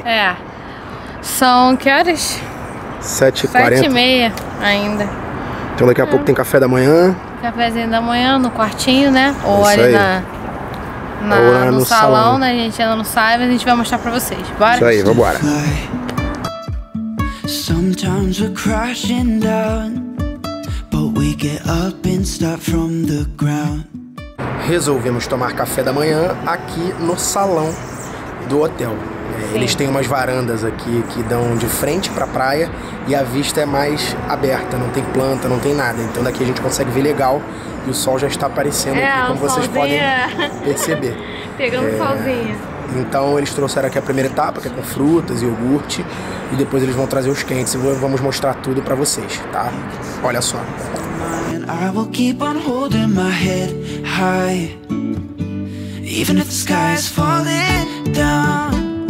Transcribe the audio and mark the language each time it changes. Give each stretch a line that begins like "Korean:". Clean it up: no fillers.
Portuguese: É. São que horas? 7:40. 7:30 ainda. Então daqui a pouco tem café da manhã. Cafézinho da manhã no quartinho, né? Ou isso ali aí. No salão, né? A gente ainda não sabe, mas a gente vai mostrar pra vocês. Bora? Isso aí, vambora.
English: Sometimes we're crashing down, but we get up and start from the ground.
Portuguese: Resolvemos tomar café da manhã aqui no salão do hotel. Eles têm umas varandas aqui que dão de frente pra praia e a vista é mais aberta, não tem planta, não tem nada. Então daqui a gente consegue ver legal e o sol já está aparecendo aqui, como vocês podem perceber. Pegando solzinho. Então eles trouxeram aqui a primeira etapa, que é com frutas e iogurte, e depois eles vão trazer os quentes e vamos mostrar tudo pra vocês, tá? Olha só.
English: I will keep on holding my head high, even if the sky is falling down.